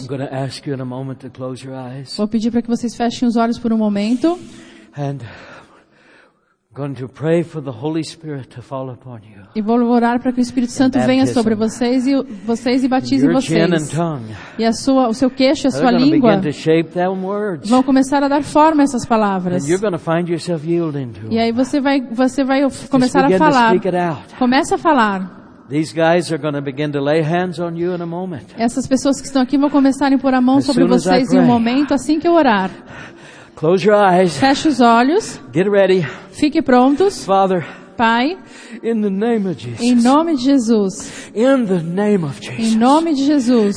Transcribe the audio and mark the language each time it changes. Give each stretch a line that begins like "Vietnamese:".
English: I'm going to ask you in a moment to close your eyes.
Portuguese: Vou pedir para que vocês fechem os olhos por um momento.
English: And I'm going to pray for the Holy Spirit to fall upon you.
Portuguese: E vou orar para que o Espírito Santo venha sobre vocês e batize vocês.
English: Your chin and tongue.
Portuguese: E o seu queixo, a sua língua.
English: They're going to begin to shape them words.
Portuguese: Vão começar a dar forma a essas palavras.
English: And you're going to find yourself yielding to.
Portuguese: E aí você vai começar a falar. Começa a falar.
English: These guys are going to begin to lay hands on you in a moment.
Portuguese: Essas pessoas que estão aqui vão começar a pôr a mão as sobre vocês em um momento assim que eu orar.
English: Close your eyes.
Portuguese: Feche os olhos.
English: Get ready.
Portuguese: Fique prontos.
English: Father.
Portuguese: Pai.
English: In the name of Jesus.
Portuguese: Em nome de Jesus.
English: In the name of Jesus.
Portuguese: Em nome de Jesus.